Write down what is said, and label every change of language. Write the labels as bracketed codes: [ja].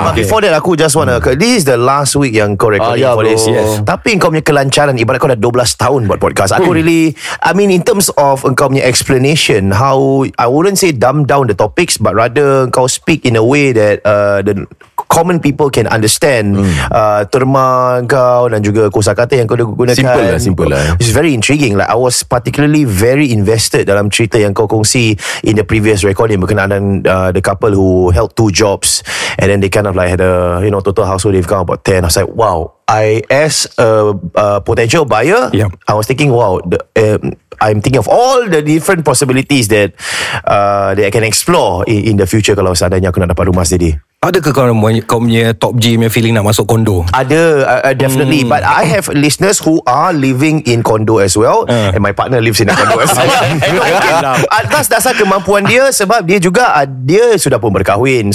[en] Before that, aku just wanna this is the last week [ms] yang kau [en] recording for this. Yes. [ms] Tapi kau punya kelancaran, ibarat kau dah 12 tahun buat podcast. [en] Aku really, I mean, in terms of [ms] kau punya [en] explanation, how I wouldn't say dumb down the topics, but rather kau speak in a way that the common people can understand. [ms] Terma kau dan juga kosakata yang kau gunakan, simple lah. [en] It's very intriguing. Like I was particularly very invested [ms] dalam cerita yang kau kongsi [en] in the previous recording [ms] berkenaan [en] the couple who held two jobs and then they kind of like had a, you know, total household income about 10. I was like, wow, I as a potential buyer, I was thinking, wow, I'm thinking of all the different possibilities that that I can explore in the future [ms] kalau seandainya aku nak dapat rumah sendiri. Adakah kau punya top G punya feeling nak masuk kondo? Ada, [en] definitely. But I have listeners who are living in condo as well. And my partner lives in a condo as well. [ms] Atas dasar kemampuan dia, sebab dia juga, dia sudah pun berkahwin.